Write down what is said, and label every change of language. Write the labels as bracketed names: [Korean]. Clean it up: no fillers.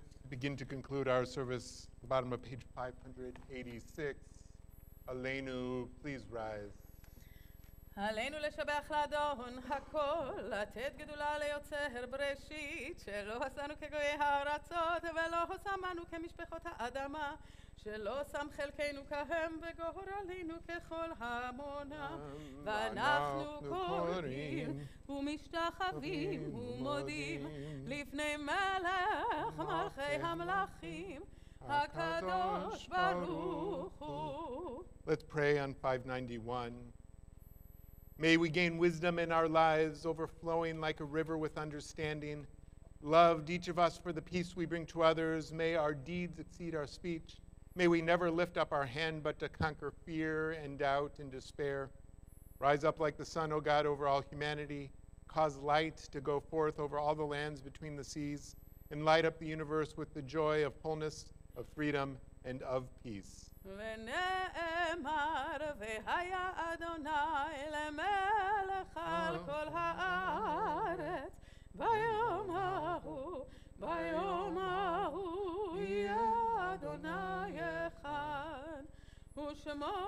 [English] Begin to conclude our service, bottom of page 586 Aleinu, please rise. [Hebrew] עלינו לשבח לאדון הכל, לתת גדולה ליוצר בראשית, שלא עשנו כגוי הארצות ולא שמנו כמשפחות האדמה, שלא שם חלקנו כהם וגורלנו ככל המונה. ואנחנו קוראים ומשתחווים ומודים לפני מלך מלכי המלכים, הקדוש ברוך הוא. [English] Let's pray on 591. May we gain wisdom in our lives, overflowing like a river with understanding. Loved each of us for the peace we bring to others. May our deeds exceed our speech. May we never lift up our hand but to conquer fear and doubt and despair. Rise up like the sun, O God, over all humanity. Cause light to go forth over all the lands between the seas, and light up the universe with the joy of wholeness, of freedom, and of peace. [Hebrew] ונאמר והיה אדוני למלך על כל הארץ ביום ההוא, ביום ההוא יהיה אדוני אחד, ושמו